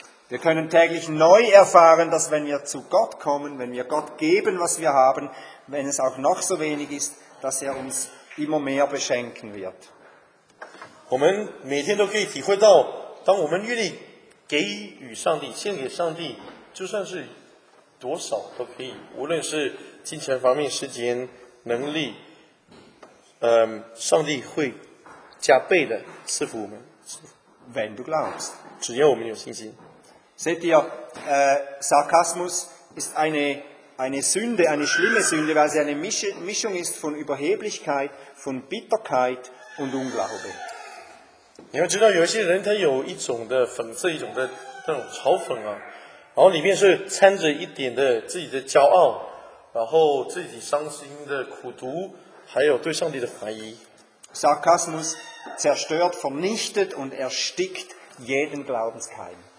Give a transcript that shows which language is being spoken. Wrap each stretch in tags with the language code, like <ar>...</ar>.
<de>Wir können täglich neu erfahren, dass wenn wir zu Gott kommen, wenn wir Gott geben, was wir haben, wenn es auch noch so wenig ist, dass er uns immer mehr beschenken wird.</de> <zh>我们每天都可以体会到，当我们愿意。给予上帝，献给上帝，就算是多少都可以，无论是金钱方面、时间、能力，上帝会加倍的赐福我们。</zh> <de>Wenn du glaubst,</de> <zh>只要我们有信心。</zh> <de>Seht ihr, Sarkasmus ist eine Sünde, eine schlimme Sünde, weil sie eine Mischung ist von Überheblichkeit, von Bitterkeit und Unglaube.</de> <zh>你要知道，有一些人他有一种的讽刺，一种的。这种嘲讽啊，然后里面是掺着一点的自己的骄傲。然后自己伤心的苦读，还有对上帝的怀疑。</zh> <de>Sarkasmus zerstört, vernichtet und erstickt jeden Glaubenskeim.</de>